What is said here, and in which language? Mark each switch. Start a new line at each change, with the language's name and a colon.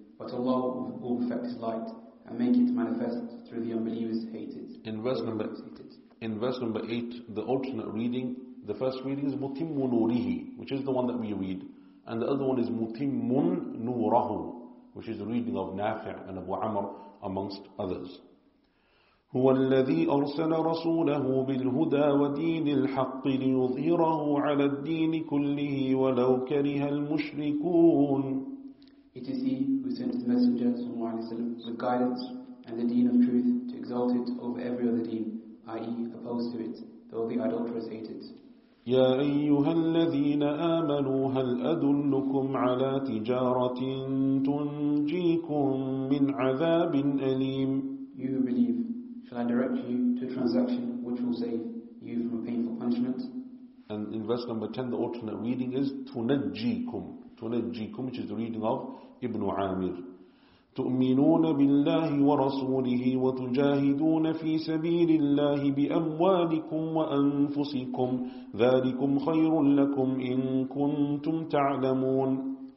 English: But Allah will perfect His light and make it manifest through the unbelievers' hate it. In verse number 8, the alternate reading, The first reading is Mutimmu Nurihi, which is the one that we read. And the other one is Mutimmun Nurahu, which is the reading of Nafi' and Abu Amr, amongst others.
Arabic: هو الذي أرسل رسوله بالهدى ودين الحق ليظهره على الدين كله ولو كره المشركون.
English: It is he who sent the messenger
Arabic: صلى الله عليه وسلم
English: with guidance and the deen of truth to exalt it over every other deen, i.e. opposed to it, though the idolaters hate it.
Arabic: يا أيها الذين آمنوا هل أدلكم على تجارة تنجيكم من عذاب أليم.
English: You who believe, shall I direct you to a transaction which will save you from a painful punishment? And in verse number 10, the alternate reading is تُنَجِّيكُمْ. تُنَجِّيكُمْ, which is the reading of Ibn Amir.
Arabic: تُؤْمِنُونَ بِاللَّهِ وَرَسُولِهِ وَتُجَاهِدُونَ فِي سَبِيلِ اللَّهِ بِأَمْوَالِكُمْ وَأَنفُسِكُمْ ذَلِكُمْ خَيْرٌ لَكُمْ إِن كُنْتُمْ تَعْلَمُونَ.